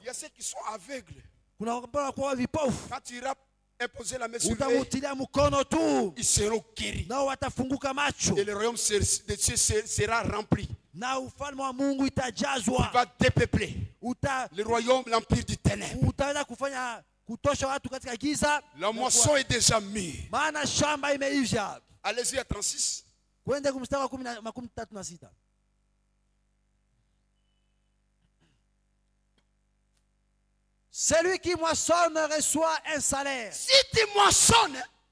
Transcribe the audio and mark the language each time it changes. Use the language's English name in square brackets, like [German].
[French] Il y a ceux qui sont aveugles. [Swahili] Kuna wakuwa vipofu. [French] Quand tu iras imposer la main sur eux, [Swahili] utamutilia mukono tu. [French] Ils seront guéris. [Swahili] Nao watafunguka macho. [French] Et le royaume de Dieu sera rempli. [Swahili] Na ufalme wa Mungu itajazwa. [French] Il va dépeupler. [Swahili] Uta [French] le royaume l'empire du ténèbre. [Swahili] Utaenda kufanya kutosha watu katika giza. [French] La moisson est déjà mise. [Swahili] Maana shamba imeivia. [French] Allez-y à 36. [Swahili] Kwende kumstari wa 36. [French] Celui qui moissonne reçoit un salaire. Si tu moissonnes,